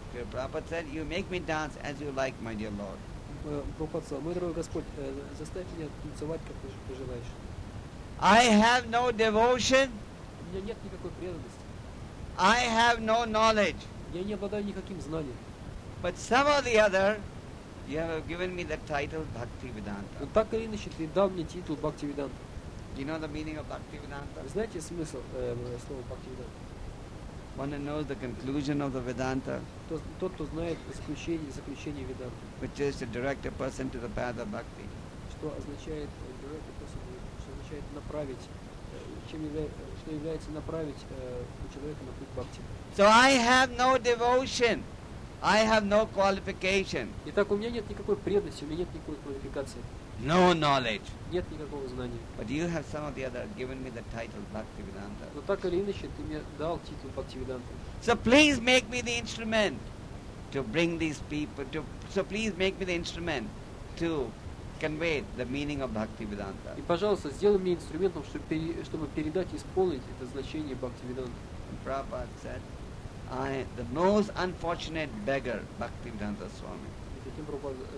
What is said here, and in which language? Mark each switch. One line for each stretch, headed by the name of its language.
English: Prabhupada said, you make me dance as you like, my dear Lord.
Russian: Прабхупада сказал, мой дорогой Господь, заставь меня танцевать, как ты желаешь.
English: I have no devotion.
Russian: У меня нет никакой преданности.
English: I have no knowledge.
Russian: Я не обладаю никаким знанием.
English: But somehow or the other, you have given me the title Bhakti Vedanta.
Russian: Ну так или иначе, ты дал мне титул Бхакти Веданта.
English: Do you know the meaning of Bhakti Vedanta?
Russian: Вы знаете смысл слова Бхакти Веданта?
English: One who knows the conclusion of the Vedanta.
Russian: Тот, кто знает заключение Веданты.
English: Which is to direct a person to the path of Bhakti.
Russian: Что означает
English: direct a person,
Russian: что означает направить, что является направить человека на путь Бхакти.
English: So I have no devotion. I have no qualification.
Russian: Итак, у меня нет никакой преданности, у меня нет никакой квалификации.
English: No knowledge.
Russian: Нет никакого знания.
English: But you have some of the other given me the title Bhaktivedanta.
Russian: Но так или иначе ты мне дал титул Бхактивиданта.
English: So please make me the instrument to bring these people to. So please make me the instrument to convey the meaning of Bhaktivedanta.
Russian: И пожалуйста, сделай мне инструментом, чтобы передать и исполнить это значение Бхактивиданта.
English: Prabhupada said, I the most unfortunate beggar, Bhaktivedanta Swami.